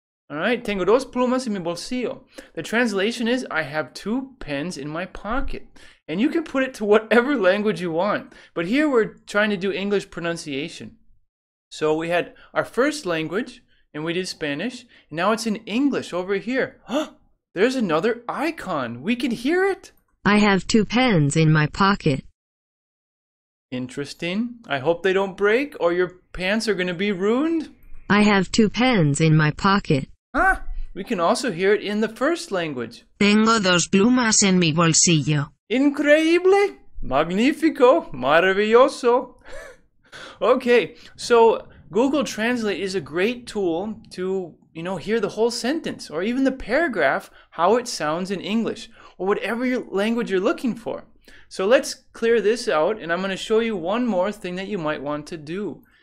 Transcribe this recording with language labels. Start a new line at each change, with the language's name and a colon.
English: All right,
Spanish: tengo dos plumas en mi bolsillo.
English: The translation is, I have two pens in my pocket. And you can put it to whatever language you want. But here we're trying to do English pronunciation. So we had our first language, and we did Spanish. And now it's in English over here. Huh, there's another icon. We can hear it. I have two pens in my pocket. Interesting. I hope they don't break, or your pants are going to be ruined. I have two pens in my pocket. Huh? We can also hear it in the first language.
Spanish: Tengo dos plumas en mi bolsillo. Increíble, magnífico, maravilloso.
English: Okay, so Google Translate is a great tool to, you know, hear the whole sentence or even the paragraph, how it sounds in English or whatever language you're looking for. So let's clear this out, and I'm going to show you one more thing that you might want to do.